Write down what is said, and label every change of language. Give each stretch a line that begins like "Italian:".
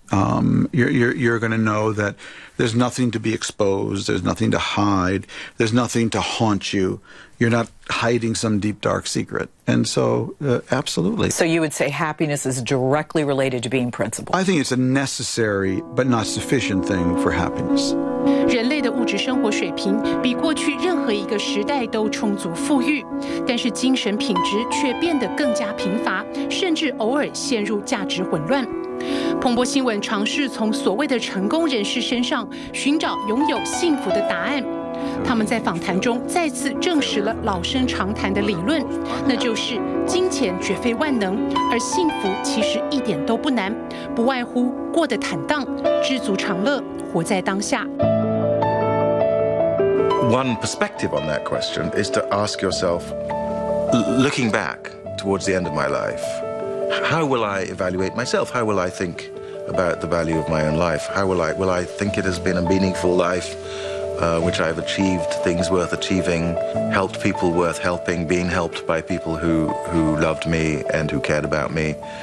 English: You're going to know that there's nothing to be exposed, there's nothing to hide, there's nothing to haunt you. You're not hiding some deep, dark secret. And so, absolutely. So you would say happiness is directly related to being principled? I think it's a necessary but not sufficient thing for happiness.
Chinese: 人类的物质生活水平比过去任何一个时代都充足富裕，但是精神品质却变得更加贫乏，甚至偶尔陷入价值混乱。彭博新闻尝试从所谓的成功人士身上寻找拥有幸福的答案。他们在访谈中再次证实了老生常谈的理论，那就是金钱绝非万能，而幸福其实一点都不难，不外乎过得坦荡，知足常乐，活在当下。
English: One perspective on that question is to ask yourself, Looking back towards the end of my life, how will I evaluate myself? How will I think about the value of my own life? How will I, will I think it has been a meaningful life, which I've achieved things worth achieving, helped people worth helping, being helped by people who loved me and who cared about me?